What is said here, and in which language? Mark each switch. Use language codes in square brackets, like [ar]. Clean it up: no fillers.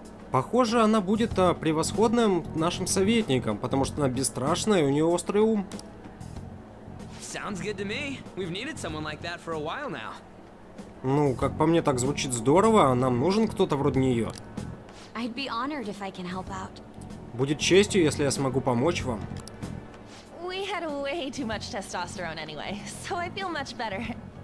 [ru] Похоже, она будет превосходным нашим советником, потому что она бесстрашная и у нее острый ум. [en] Sounds good to me. We've needed someone like that for a while now. [ru] Ну, как по мне, так звучит здорово, а нам нужен кто-то вроде нее. [en] I'd be honored if I can help out. [ru] Будет честью, если я смогу помочь вам. [en] We had way too much testosterone anyway, so I feel much better.